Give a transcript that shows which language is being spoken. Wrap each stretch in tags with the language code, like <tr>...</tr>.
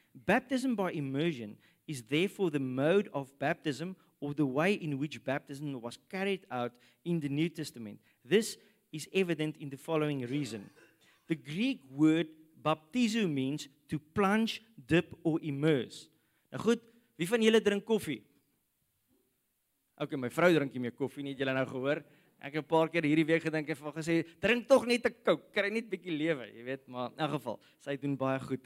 <en>Baptism by immersion is therefore the mode of baptism or the way in which baptism was carried out in the New Testament. This is evident in the following reason. The Greek word baptizo means to plunge, dip or immerse.</en> <af>Nou goed, wie van julle drink koffie? Okay, my vrou drink nie meer koffie nie, het julle nou gehoor? Ek het 'n paar keer hierdie week gedink en vir haar gesê, drink tog net 'n Coke, kry net 'n bietjie lewe, jy weet, maar in elk geval, sy doen baie goed.</af>